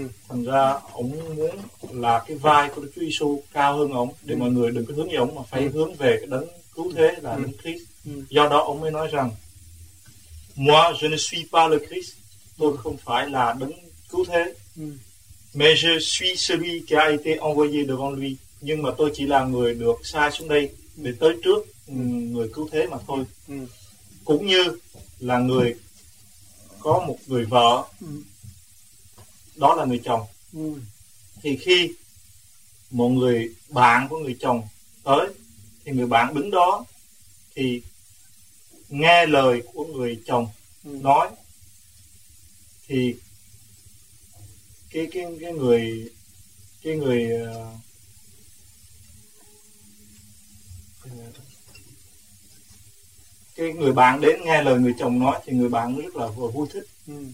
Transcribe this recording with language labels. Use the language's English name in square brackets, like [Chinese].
[Vietnamese] Thành ra ông muốn là cái vai của Đức Chúa Giê-xu cao hơn ông, để mọi người đừng có hướng về ông mà phải hướng về cái đấng cứu thế là đấng Christ. Do đó ông mới nói rằng: [French] Moi je ne suis pas le Christ, [Vietnamese] tôi không phải là đấng cứu thế. [French] Mais je suis celui qui a été envoyé devant lui. [Vietnamese] Nhưng mà tôi chỉ là người được sai xuống đây để tới trước người cứu thế mà thôi. Cũng như là người có một người vợ, đó là người chồng. Thì khi một người bạn của người chồng tới, thì người bạn đứng đó thì nghe lời của người chồng nói, thì cái người cái người bạn đến nghe lời người chồng nói thì người bạn rất là vui thích.